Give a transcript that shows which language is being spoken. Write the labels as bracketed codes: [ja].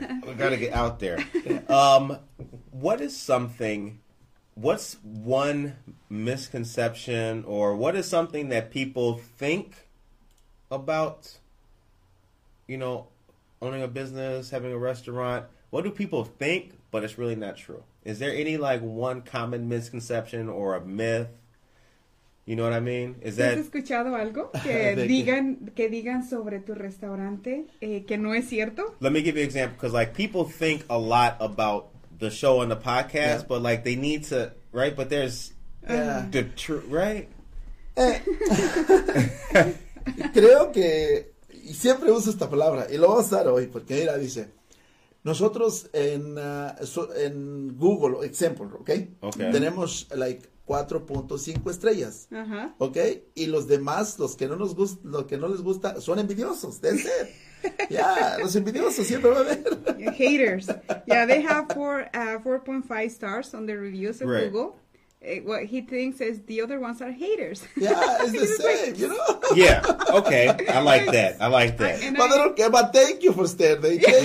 [en] What is something, what's one misconception or what is something that people think about, you know, owning a business, having a restaurant? What do people think? But it's really not true. Is there any, like, one common misconception or a myth? You know what I mean? Is that... [es] ¿Has escuchado algo que digan sobre tu restaurante que no es cierto? [en] Let me give you an example. Because, like, people think a lot about the show and the podcast. Yeah. But, like, they need to... Right? But there's... the truth, right? [es] Creo que... Y siempre uso esta palabra. Y lo voy a usar hoy porque mira, dice... Nosotros en Google, [en] example, okay? Okay. [es] Tenemos like 4.5 estrellas. Uh-huh. [en] Okay? [es] Y los demás, los que no les gusta, son envidiosos. [en] That's it. Yeah, [es] los envidiosos siempre va a haber. [en] Haters. Yeah, they have 4.5 stars on the reviews of Google. What he thinks is the other ones are haters. Yeah, it's the same, like, you know? Yeah, okay. I like that. But thank you for staying there.